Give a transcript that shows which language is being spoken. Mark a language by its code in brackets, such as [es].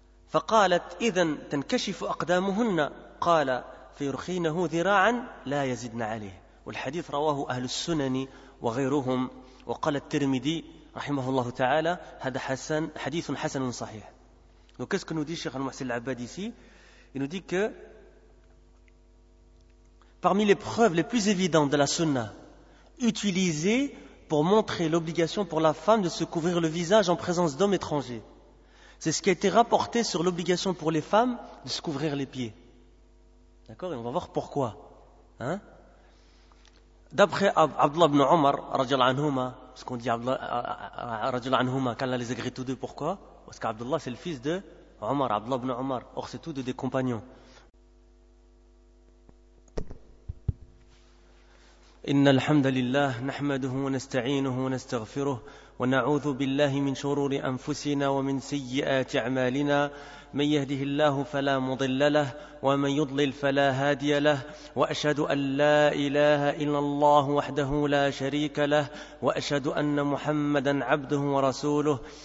[ar] فقالت إذن تنكشف أقدامهن؟ قال فيرخينه ذراعا لا يزدن عليه. والحديث رواه أهل السنن وغيرهم. وقال الترمذي رحمه الله تعالى هذا حسن حديث حسن صحيح. [fr] Donc qu'est-ce que nous dit Cheikh Al-Muhsin Al-Abbad ici? Il nous dit que parmi les preuves les plus évidentes de la sunna utilisée pour montrer l'obligation pour la femme de se couvrir le visage en présence d'hommes étrangers, c'est ce qui a été rapporté sur l'obligation pour les femmes de se couvrir les pieds. D'accord? Et on va voir pourquoi. Hein? D'après Abdullah ibn Omar, [ar] radiallahu anhuma, [fr] ce qu'on dit radiallahu anhuma, qu'Allah les agrée tous deux, pourquoi? Parce qu'Abdullah c'est le fils de Omar, Abdullah ibn Omar, or c'est tous deux des compagnons. [ar] إن الحمد لله نحمده ونستعينه ونستغفره ونعوذ بالله من شرور أنفسنا ومن سيئات أعمالنا من يهده الله فلا مضل له ومن يضلل فلا هادي له وأشهد أن لا إله إلا الله وحده لا شريك له وأشهد أن محمدا عبده ورسوله